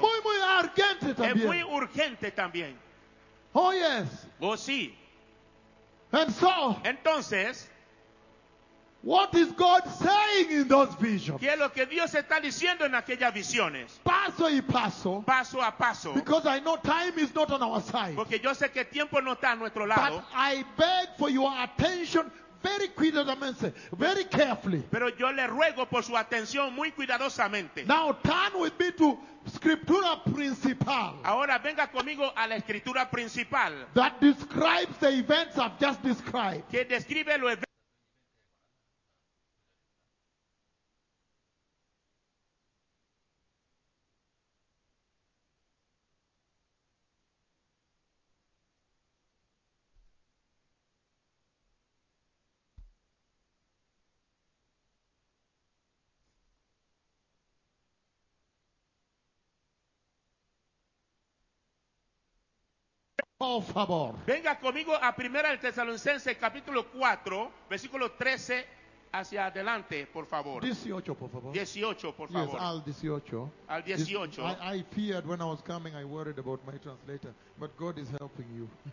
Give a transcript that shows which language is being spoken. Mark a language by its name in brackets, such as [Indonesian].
[Spanish] Muy urgente también. Es muy urgente también. [English] Oh yes. [Spanish] Oh sí. [English] And so. [Spanish] Entonces. [English] What is God saying in those visions? [Spanish] ¿Qué es lo que Dios está diciendo en aquellas visiones? Paso y paso. Paso a paso. [English] Because I know time is not on our side. [Spanish] Porque yo sé que tiempo no está a nuestro lado. [English] But I beg for your attention very cuidadosamente, very carefully. [Spanish] Pero yo le ruego por su atención muy cuidadosamente. [English] Now turn with me to Scriptura Principal. [Spanish] Ahora venga conmigo a la Escritura Principal. [English] That describes the events I've just described. [Spanish] Que describe los eventos. Por favor. Venga conmigo a Primera de Tesalonicenses capítulo 4, versículo 13 hacia adelante, por favor. 18, por favor. 18, por favor. Yes, al 18. Al 18. [English] I feared when I was coming, I worried about my translator, but God is helping you.